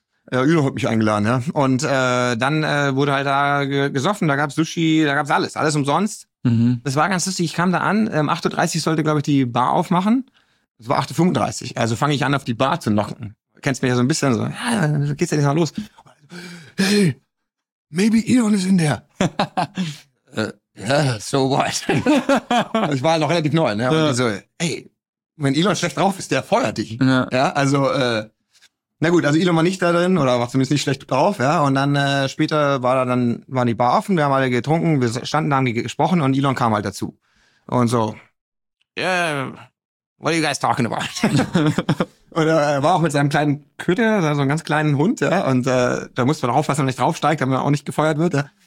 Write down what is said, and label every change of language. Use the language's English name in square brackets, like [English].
[German] Elon hat mich eingeladen, ja. Und dann wurde halt da gesoffen, da gab's Sushi, da gab's alles umsonst. Das war ganz lustig, ich kam da an, 8:30 sollte, glaube ich, die Bar aufmachen. Es war 8:35, also fange ich an, auf die Bar zu knocken. Kennst mich ja so ein bisschen, so, ja, dann geht's ja nicht mal los. [English] Hey, maybe Elon [German] ist [English] in there. so what? [German] Ich war halt noch relativ neu, ne? Und ja. So, hey, wenn Elon schlecht drauf ist, der feuert dich. Ja, ja, also, na gut, also Elon war nicht da drin oder war zumindest nicht schlecht drauf, ja. Und dann später waren die Bar offen, wir haben alle getrunken, wir standen da, haben gesprochen und Elon kam halt dazu. Und so, [English] yeah, what are you guys talking about? [German] Und er war auch mit seinem kleinen Köter, so einem ganz kleinen Hund, ja. Und da musste man aufpassen, dass er nicht draufsteigt, damit er auch nicht gefeuert wird, ja.